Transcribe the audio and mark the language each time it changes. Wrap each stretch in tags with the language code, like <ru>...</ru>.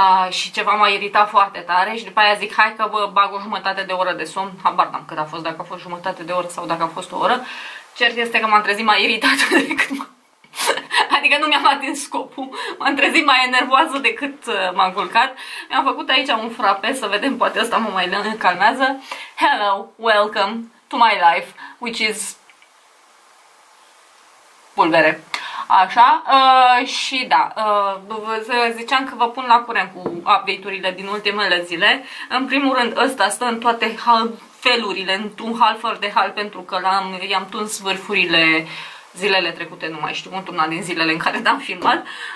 <ro>Și ceva m-a iritat foarte tare și după aia zic, hai că vă bag o jumătate de oră de somn, habar n-am cât a fost, dacă a fost jumătate de oră sau dacă a fost o oră. Cert este că m-am trezit mai iritată decât adică nu mi-am atins scopul, m-am trezit mai enervoasă decât m-am culcat. Mi-am făcut aici un frappe, să vedem, poate ăsta mă mai calmează.</ro> <en>Hello, welcome to my life, which is pulvere.</en> <ro>Așa, și da, ziceam că vă pun la curent cu update-urile din ultimele zile. În primul rând, ăsta stă în toate felurile, într-un hal fără de hal, pentru că i-am tuns vârfurile zilele trecute, nu mai știu, într-una din zilele în care l-am filmat.</ro>